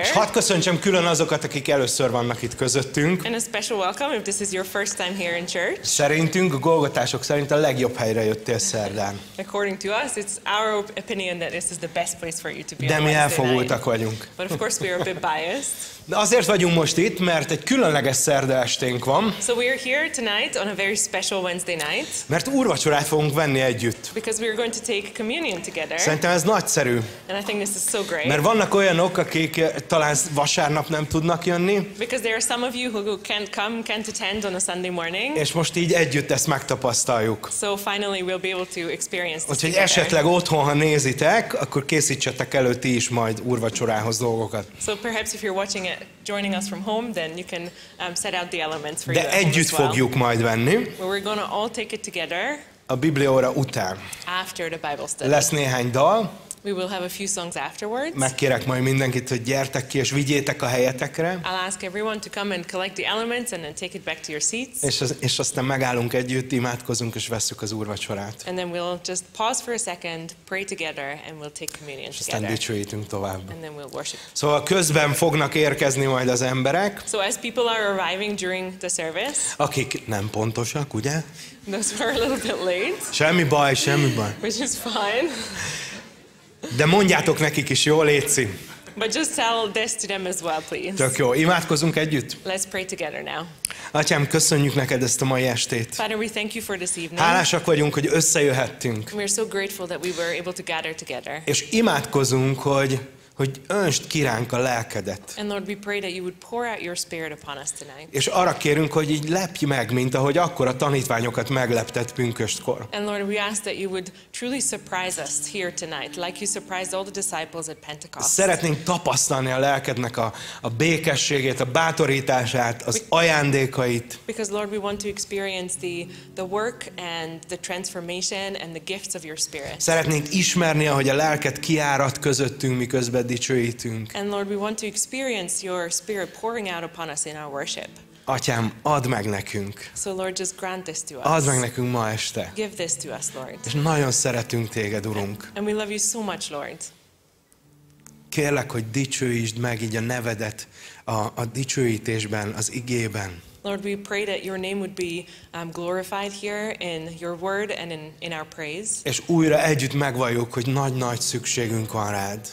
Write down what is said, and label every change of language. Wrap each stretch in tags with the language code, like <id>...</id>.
<hu>És hadd köszöntsem külön azokat, akik először vannak itt közöttünk.</hu> <en>And a special welcome if this is your first time here in church.</en> <hu>Szerintünk, a golgotások szerint a legjobb helyre jöttél szerdán.</hu> <en>According to us, it's our opinion that this is the best place for you to be.</en> <hu>De mi elfogultak vagyunk.</hu> <en>But of course we are a bit biased.</en> <hu>De azért vagyunk most itt, mert egy különleges szerda esténk van.</hu> <en>So we are here tonight on a very special Wednesday night.</en> <hu>Mert úrvacsorát fogunk venni együtt.</hu> <en>Because we are going to take communion together.</en> <hu>Szerintem ez nagyszerű.</hu> <en>And I think this is so great.</en> <hu>Mert vannak olyanok, akik talán vasárnap nem tudnak jönni.</hu> <en>Because there are some of you who can't come, can't attend on a Sunday morning.</en> <hu>És most így együtt ezt megtapasztaljuk.</hu> <en>So finally we'll be able to experience this.</en> <hu>Úgyhogy esetleg otthon, ha nézitek, akkor készítsetek elő ti is majd úrvacsorához dolgokat.</hu> <en>So perhaps if you're watching it joining us from home, then you can set out the elements for you.</en> <hu>De együtt fogjuk majd venni.</hu> <en>But we're going to all take it together.</en> <hu>A Biblióra után.</hu> <en>After the Bible study.</en> <hu>Lesz néhány dal.</hu> <en>We will have a few songs afterwards.</en> <hu>Megkérek majd mindenkit, hogy gyertek ki és vigyétek a helyetekre.</hu> <en>I'll ask everyone to come and collect the elements and then take it back to your seats.</en> <hu>És aztán megállunk együtt, imádkozunk és vesszük az úrvacsorát.</hu> <en>And then we'll just pause for a second, pray together and we'll take communion together.</en> <hu>És aztán dicsőítünk tovább.</hu> <en>And then we'll worship.</en> <hu>Szóval közben fognak érkezni majd az emberek.</hu> <en>So as people are arriving during the service.</en> <hu>Akik nem pontosak, ugye?</hu> <en>Those who are a little bit late.</en> <hu>Semmi baj.</hu> <en>Which is fine.</en> <hu>De mondjátok nekik is, jó, léci.</hu> <en>But just tell this to them as well, please.</en> <hu>Tök jó, imádkozunk együtt.</hu> <en>Let's pray together now.</en> <hu>Atyám, köszönjük neked ezt a mai estét.</hu> <en>Father, we thank you for this evening.</en> <hu>Hálásak vagyunk, hogy összejöhettünk.</hu> <en>We are so grateful that we were able to gather together.</en> <hu>És imádkozunk, hogy önst ki ránk a lelkedet.</hu> <en>And Lord, we pray that you would pour out your spirit upon us tonight.</en> <hu>És arra kérünk, hogy így lepj meg, mint ahogy akkor a tanítványokat megleptett pünköstkor.</hu> <en>And Lord, we ask that you would truly surprise us here tonight, like you surprised all the disciples at Pentecost.</en> <hu>Szeretnénk tapasztalni a lelkednek a békességét, a bátorítását, az ajándékait.</hu> <en>Because Lord, we want to experience the work and the transformation and the gifts of your spirit.</en> <hu>Szeretnénk ismerni, ahogy a lelked kiárat közöttünk, miközben dicsőítünk.</hu> <en>And Lord, we want to experience your spirit pouring out upon us in our worship.</en> <hu>Atyám, add meg nekünk.</hu> <en>So Lord, just grant this to us.</en> <hu>Add meg nekünk ma este.</hu> <en>Give this to us, Lord.</en> <hu>És nagyon szeretünk téged, Urunk.</hu> <en>And we love you so much, Lord.</en> <hu>Kérlek, hogy dicsőítsd meg így a nevedet a dicsőítésben, az igében.</hu> <en>Lord, we pray that your name would be glorified here in your word and in our praise.</en> <hu>És újra együtt megvalljuk, hogy nagy-nagy szükségünk van rád.</hu>